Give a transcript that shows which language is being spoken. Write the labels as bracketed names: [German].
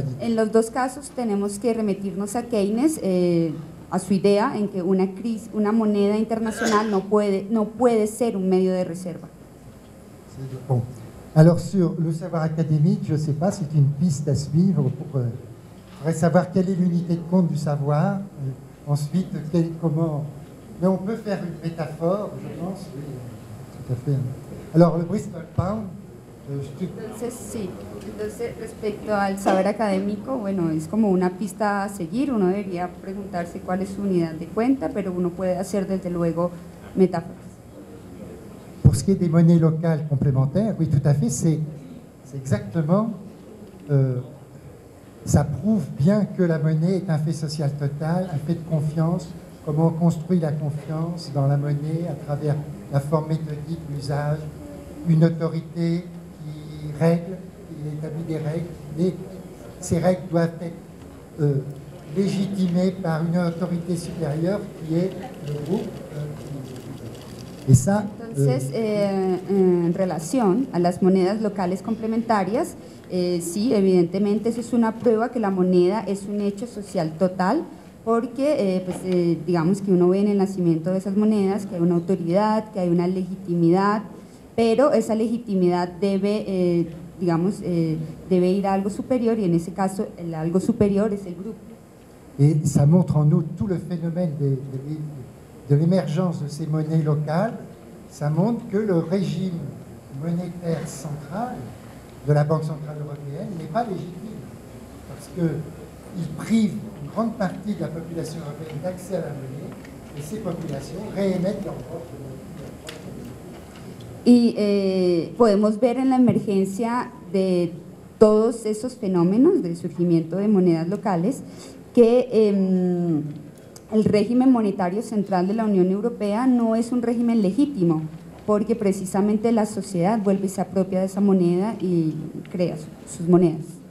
[Spanish] En los dos casos, tenemos que remitirnos a Keynes, a su idea en que una crisis, una moneda internacional no puede ser un medio de reserva. [French] Bon. Alors sur le savoir académique, je ne sais pas, c'est une piste à suivre pour savoir quelle est l'unité de compte du savoir, ensuite comment... Mais on peut faire une métaphore, je pense, oui, tout à fait. Alors le Bristol Pound... [Spanish] Entonces, sí. Entonces, respecto al saber académico, bueno, es como una pista a seguir. Uno debería preguntarse cuál es su unidad de cuenta, pero uno puede hacer desde luego metáforas. [French] Pour ce qui est des monnaies locales complémentaires, oui, tout à fait, c'est exactement, ça prouve bien que la monnaie est un fait social total, un fait de confiance, comment on construit la confiance dans la monnaie à travers la forme méthodique, l'usage, une autorité... règles, il établit des règles, mais ces règles doivent être légitimées par une autorité supérieure qui est le groupe. Et ça... [Spanish] Entonces, en relación a las monedas locales complementarias, sí, evidentemente eso es una prueba que la moneda es un hecho social total, porque pues, digamos que uno ve en el nacimiento de esas monedas que hay una autoridad, que hay una legitimidad, pero esa legitimidad debe, digamos, debe ir a algo superior, y en ese caso el algo superior es el grupo. [French] Et ça montre en nous tout le phénomène de l'émergence de ces monnaies locales. Ça montre que le régime monétaire central de la Banque Centrale Européenne n'est pas légitime. Parce qu'il prive une grande partie de la population européenne d'accès à la monnaie et ces populations réémettent leur propre monnaie. [Spanish] Y podemos ver en la emergencia de todos esos fenómenos del surgimiento de monedas locales que el régimen monetario central de la Unión Europea no es un régimen legítimo, porque precisamente la sociedad vuelve y se apropia de esa moneda y crea sus monedas.